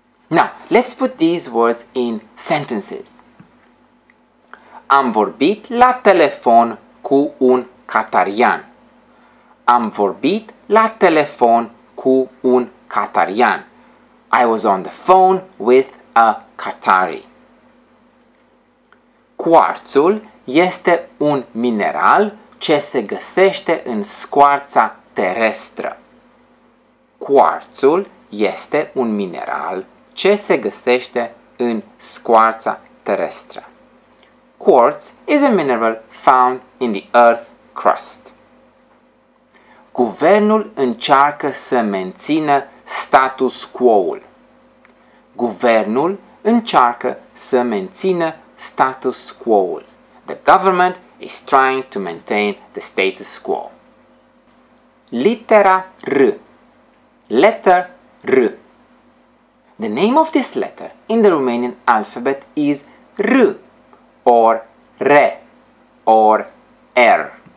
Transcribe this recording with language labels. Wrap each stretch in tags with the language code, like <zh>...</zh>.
<en>Now, let's put these words in sentences.</en> <ro>Am vorbit la telefon cu un catarian. Am vorbit la telefon cu un catarian.</ro> <en>I was on the phone with a Qatari.</en> <ro>Quartzul este un mineral ce se găsește în scoarța terestră. Quartzul este un mineral ce se găsește în scoarța terestră.</ro> <en>Quartz is a mineral found in the earth crust.</en> <ro>Guvernul încearcă să mențină status quo-ul. Guvernul încearcă să mențină status quo-ul.</ro> <en>The government is trying to maintain the status quo.</en> <ro>Litera R.</ro> <en>Letter R. The name of this letter in the Romanian alphabet is R or Re or R.</en>